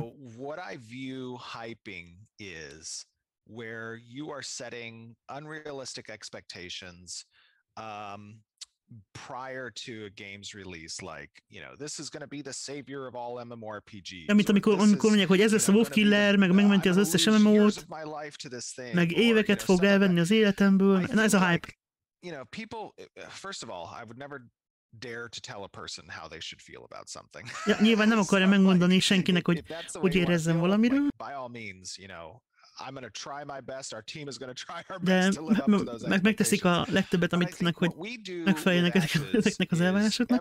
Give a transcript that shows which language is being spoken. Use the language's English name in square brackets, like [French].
[English] You know, what I view hyping is where you are setting unrealistic expectations prior to a game's release, like, you know, this is going to be the savior of all MMORPGs. [Hungarian] Amit amikor mondják, hogy ez lesz a Wolfkiller, meg megmenti az összes MMO-t, meg éveket fog elvenni az életemből, na ez a hype. [English] You know, people, first of all, I would never dare to tell a person how they should feel about something. [Hungarian] Ja, nyilván nem akarja megmondani senkinek, hogy érezzem valamiről. [English] By all means, you know, I'm going to try my best, our team is going to try our best to live up to those expectations. [Hungarian] Megteszik a legtöbbet, amit tudnak, hogy megfeleljenek ezeknek az elvárásoknak.